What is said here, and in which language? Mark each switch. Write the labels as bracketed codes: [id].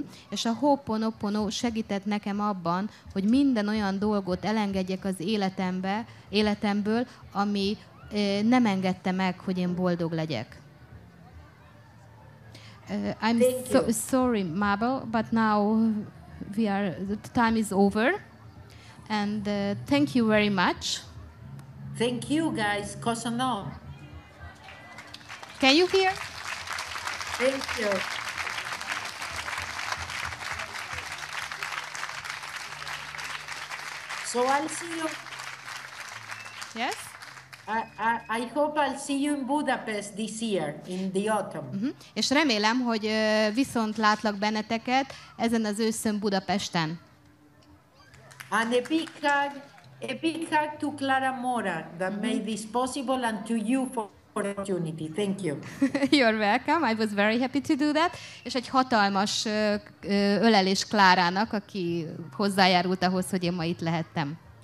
[hu] És a Ho'oponopono segített nekem abban, hogy minden olyan dolgot elengedjek az életemből, ami nem engedte meg, hogy én boldog legyek. [en] I'm sorry, Mabel, but now the time is over. And thank you very much. Thank you, guys. Kosanov. Can you hear? Thank you. So I'll see you. Yes? I hope I'll see you in Budapest this year, in the autumn. [hu] És remélem, hogy viszont látlak benneteket ezen az őszön Budapesten. [en] And a big hug to Clara Mora that made this possible and to you for the opportunity. Thank you. You're welcome. I was very happy to do that. [hu] És egy hatalmas ölelés Klárának, aki hozzájárult ahhoz, hogy én ma itt lehettem.